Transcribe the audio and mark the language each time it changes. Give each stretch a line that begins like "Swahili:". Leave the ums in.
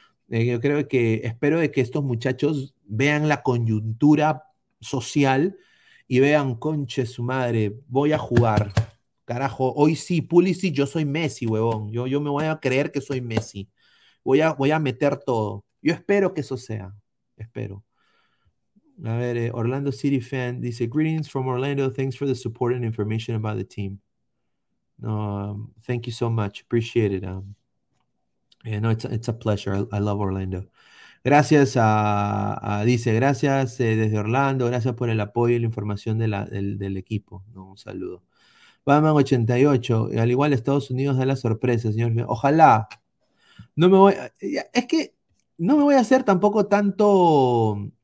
Spanish: Eh, yo creo que espero de que estos muchachos vean la coyuntura social y vean, conche su madre, voy a jugar. Carajo, hoy sí, Pulisic, yo soy Messi, huevón. Yo, yo me voy a creer que soy Messi. Voy a, voy a meter todo. Yo espero que eso sea espero. A ver, eh, Orlando City fan dice,
English: greetings from Orlando, thanks for the support and information about the team. Um, thank you so much, appreciate it. Um, yeah, no, it's, it's a pleasure, I, I love Orlando.
Spanish: Gracias a, a dice, gracias eh, desde Orlando, gracias por el apoyo y la información de la, del, del, equipo. No, un saludo. Batman 88, al igual Estados Unidos da la sorpresa, señor. Ojalá. No me voy... Es que no me voy a hacer tampoco tanto.